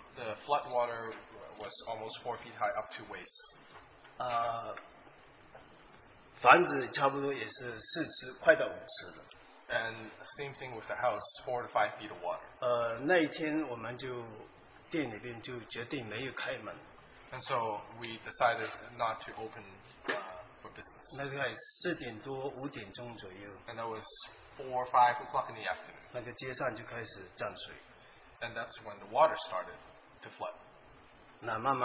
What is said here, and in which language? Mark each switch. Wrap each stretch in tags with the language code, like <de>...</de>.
<en>the flood water was almost 4 feet high up to waist.</en> <zh>房子差不多也是四肢快到五尺了。</zh> <en>And same thing with the house, 4 to 5 feet of water.</en> <zh>那一天我们就店里边就决定没有开门。</zh> <en>And so we decided not to open for business.</en> <zh>那个四点多五点钟左右。</zh> <en>And that was 4 or 5 o'clock in the afternoon.</en> <zh>那个街上就开始涨水。</zh> <en>And that's when the water started to flood.</en>